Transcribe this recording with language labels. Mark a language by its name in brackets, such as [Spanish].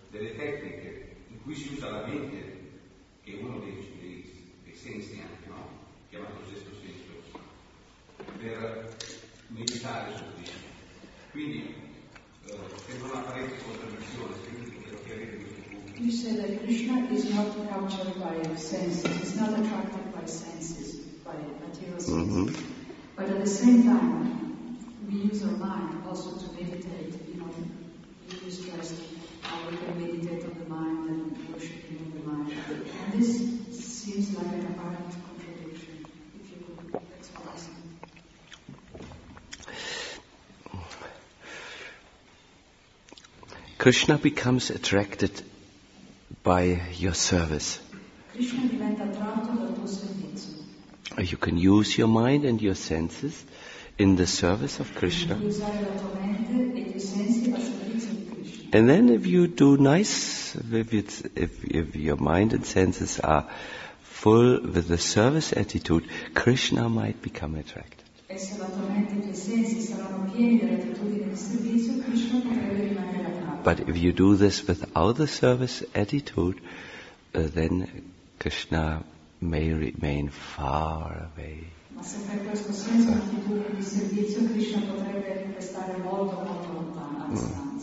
[Italian] delle tecniche in cui si usa la mente, che è uno dei sensi anche, no? Chiamato sesto senso, per meditare su Krishna. Quindi, se non apparente contraddizione, se non chiarire questo punto. [English] You said that Krishna is not captured by senses, is not attracted by senses, by material senses. Mm-hmm. But at the same time, we use our mind also to meditate, you know, you stressed how we can meditate on the mind and worshiping on the mind. And this seems like an apparent contradiction, if you could express it. Krishna becomes attracted by your service. [Italian] Krishna diventa attratto dal tuo servizio. [English] You can use your mind and your senses in the service of Krishna. And then if you do nice, if your mind and senses are full with the service attitude, Krishna might become attracted. [Italian] E se la tua mente e i sensi saranno pieni dell'attitudine di servizio, Krishna potrebbe rimanere attratto. [English] But if you do this without the service attitude, then Krishna may remain far away. [Italian] Ma se per questo senso l'attitudine di servizio, Krishna potrebbe restare molto, molto lontano.